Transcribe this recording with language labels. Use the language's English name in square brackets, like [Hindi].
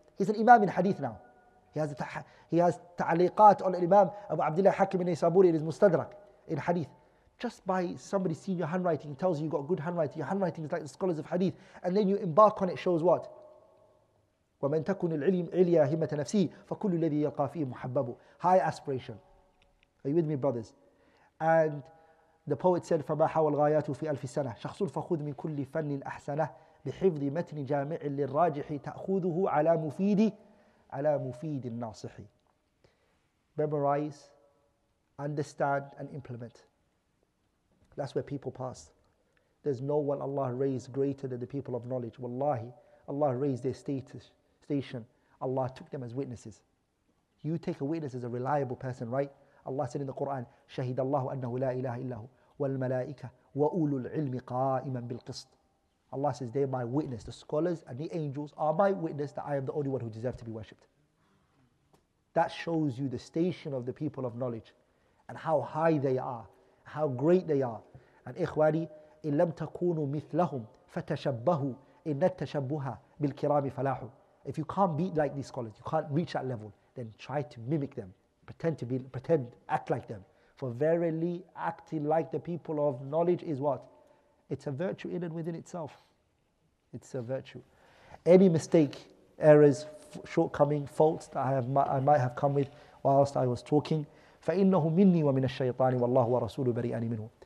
[English] He's an Imam in Hadith now. He has ta'liqat on Imam Abu Abdullah Hakim in Isaburi in his Mustadrak in Hadith. Just by somebody seeing your handwriting, tells you got good handwriting, your handwriting is like the scholars of Hadith. And then you embark on it, shows what? [Arabic] وَمَنْ تَكُنِ الْعِلْمِ عِلْيَا هِمَّةَ نَفْسِي فَكُلُّ الَّذِي يَلْقَى فِيهِ مُحَبَّبُ. [English] High aspiration. Are you with me, brothers? And the poet said, [Arabic] فَمَا حَوَى الْغَايَاتُ فِي أَلْفِ سَنَةٍ شَخْصٌ فَخُذْ مِنْ كُلِّ فَنٍّ أَحْسَنَهُ بِحِفْظِ مَتْنِ جَامِعٍ لِلرَّاجِحِ تَأْخُذُهُ عَلَى مُفِيدِ النَّاصِحِ. [English] Memorize, understand, and implement. That's where people pass. There's no one Allah raised greater than the people of knowledge. Wallahi, Allah raised their status, station. Allah took them as witnesses. You take a witness as a reliable person, right? Allah said in the Quran, [Arabic] شهد الله أنه لا إله إلا هو والملائكة وأولو العلم قائما بالقسط. [English] Allah says, they are my witness. The scholars and the angels are my witness that I am the only one who deserves to be worshipped. That shows you the station of the people of knowledge and how high they are, how great they are. [Arabic] And إخواني, إن لم تكونوا مثلهم فتشبهوا إن التشبه بالكرام فلاح. [English] If you can't be like these scholars, you can't reach that level, then try to mimic them. Pretend, act like them. For verily, acting like the people of knowledge is what? It's a virtue in and within itself. It's a virtue. Any mistake, errors, shortcoming, faults that I might have come with whilst I was talking, [Arabic] فَإِنَّهُ مِنِّي وَمِنَ الشَّيْطَانِ وَاللَّهُ وَرَسُولُهُ بَرِئَانِ مِنْهُ.